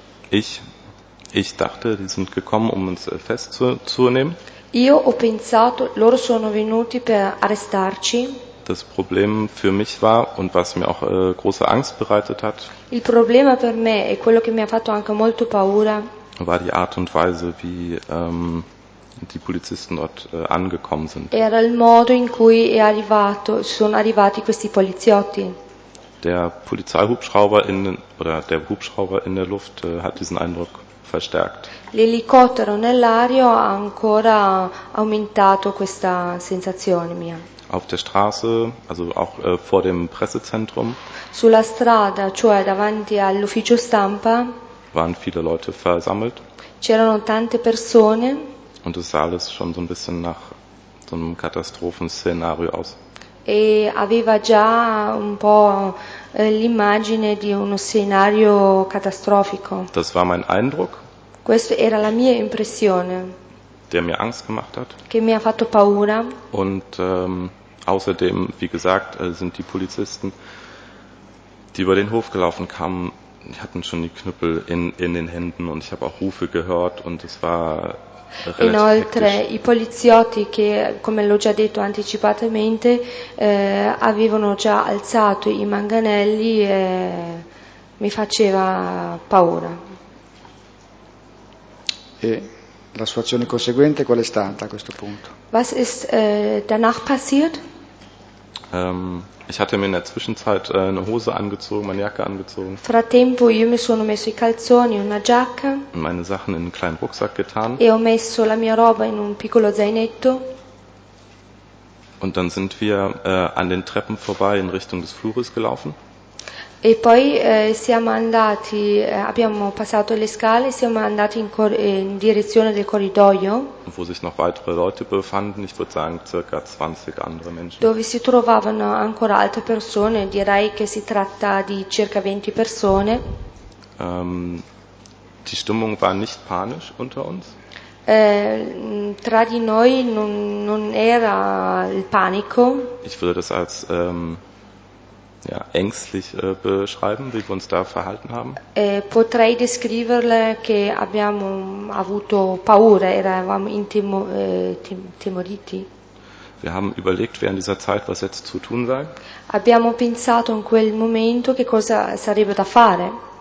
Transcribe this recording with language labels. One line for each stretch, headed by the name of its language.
German: Ich dachte, die sind gekommen, um uns festzunehmen.
Italian: Io ho pensato, loro sono venuti per arrestarci.
German: Das Problem für mich war und was mir auch große Angst bereitet hat.
Italian: Il problema per me è quello che mi ha fatto anche molto paura.
German: War die Art und Weise, wie die Polizisten dort angekommen sind.
Italian: Era il modo in cui sono arrivati questi poliziotti.
German: Der Polizeihubschrauber der Hubschrauber in der Luft hat diesen Eindruck verstärkt.
Italian: L'elicottero nell'aria ha ancora aumentato questa sensazione mia.
German: Auf der Straße, also auch vor dem Pressezentrum.
Italian: Sulla strada, cioè davanti all'ufficio stampa.
German: Waren viele Leute versammelt.
Italian: C'erano tante persone.
German: Und es sah alles schon so ein bisschen nach so einem Katastrophenszenario aus.
Italian: E aveva già un po' l'immagine di uno scenario catastrofico.
German: Das war mein Eindruck.
Italian: Questa era la mia impressione.
German: Der mir Angst gemacht hat.
Italian: Che mi ha fatto paura.
German: Und außerdem, wie gesagt, sind die Polizisten, die über den Hof gelaufen kamen, die hatten schon die Knüppel in den Händen und ich habe auch Rufe gehört und es war relativ
Italian: Inoltre,
German: hektisch.
Italian: I poliziotti che, come l'ho già detto anticipatamente, avevano già alzato i manganelli e mi faceva paura. La situazione conseguente qual è stata a questo punto?
German: Was ist danach passiert? Ich hatte mir in der Zwischenzeit eine Hose angezogen, meine Jacke angezogen.
Italian: Frattempo io mi sono messo i calzoni, una giacca.
German: Und meine Sachen in einen kleinen Rucksack getan.
Italian: E ho messo la mia roba in un piccolo zainetto.
German: Und dann sind wir an den Treppen vorbei in Richtung des Flures gelaufen.
Italian: E poi abbiamo passato le scale e siamo andati in direzione del corridoio.
German: Wo sich noch weitere Leute befanden, ich würde sagen circa 20 andere Menschen.
Italian: Dove si trovavano ancora altre persone, direi che si tratta di circa 20 persone.
German: Die Stimmung war nicht panisch unter uns.
Italian: Tra di noi non era il panico.
German: Ich würde das als ängstlich beschreiben, wie wir uns da verhalten haben.
Italian: Potrei descriverle che abbiamo avuto paura, eravamo intimoriti.
German: Wir haben überlegt während dieser Zeit, was jetzt zu tun sei.
Italian: Abbiamo pensato in quel momento che cosa sarebbe da fare.